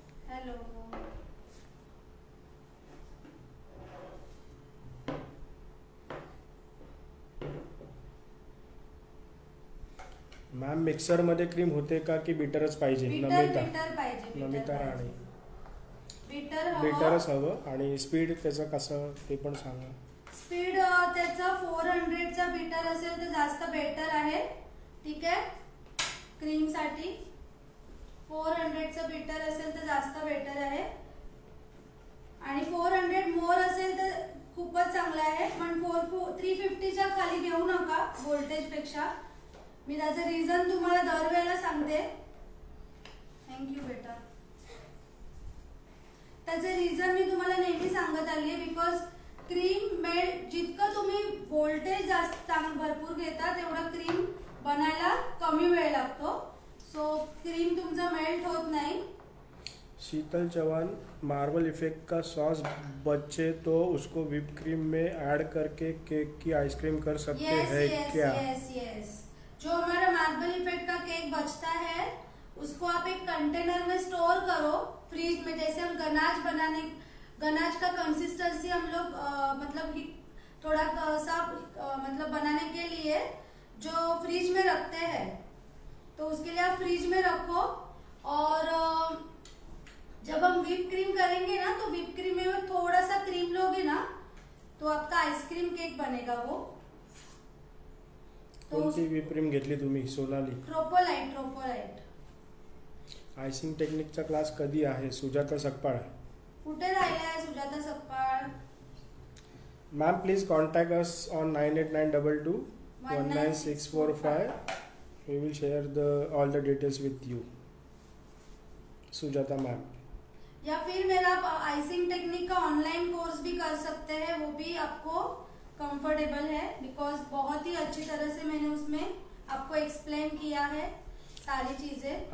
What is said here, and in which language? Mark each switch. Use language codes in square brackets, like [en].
[en] Hello. [mr] Ma'am mixer मध्ये cream होते का की बीटरच पाहिजे? नमिता। नमिता राणे, बीटर हवं आणि स्पीड त्याचं कसं ते पण सांगा। स्पीड त्याचा 400 चा बीटर असेल तर जास्त बेटर आहे, ठीक आहे। क्रीम साठी 400 चा बीटर असेल तर जास्त बेटर आहे, आणि 400 मोर असेल तर खूपच चांगला आहे, पण 350 च्या खाली घेऊ नका वोल्टेज पेक्षा। मी त्याचं रिझन तुम्हाला दरवेळेला सांगते। थँक्यू बेटा। त्याचं रिझन मी तुम्हाला नेहमी सांगत आली आहे, बिकॉज क्रीम मेल्ट, जितकं तुम्ही वोल्टेज जास्त भरपूर घेता तेवढा क्रीम बनायला कमी वेळ लागतो, सो क्रीम तुमचा मेल्ट होत नाही। [hi] शीतल चव्हाण, मार्बल इफेक्ट का सॉस बचे तो उसको व्हिप क्रीम में ऐड करके केक की आइसक्रीम कर सकते हैं क्या? यस यस, जो हमारा मार्बल इफेक्ट का केक बचता है उसको आप एक कंटेनर में स्टोर करो फ्रीज में, जैसे हम गनाज बनाने, गनाज का कंसिस्टेंसी हम लोग मतलब थोड़ा सा मतलब बनाने के लिए जो फ्रीज में रखते हैं, तो उसके लिए आप फ्रीज में रखो। और जब हम व्हिप क्रीम करेंगे ना, तो व्हिप क्रीम में थोड़ा सा क्रीम लोगे ना तो आपका आइसक्रीम केक बनेगा वो। [mr] तो व्हिप क्रीम घेतली तुम्ही? सोनाली। ट्रोपोलाइट। ट्रोपोलाइट आइसिंग टेक्निक चा क्लास कधी आहे? सुजाता सकपाळ। कुठे राहिले आहे Sujata Sakpal? [en] Ma'am please contact us on 9892-19645, we will share the all the details with you Sujata ma'am. [hi] या फिर मेरा आप आइसिंग टेक्निक का ऑनलाइन कोर्स भी कर सकते हैं, वो भी आपको कंफर्टेबल है, बिकॉज बहुत ही अच्छी तरह से मैंने उसमें आपको एक्सप्लेन किया है सारी चीजें।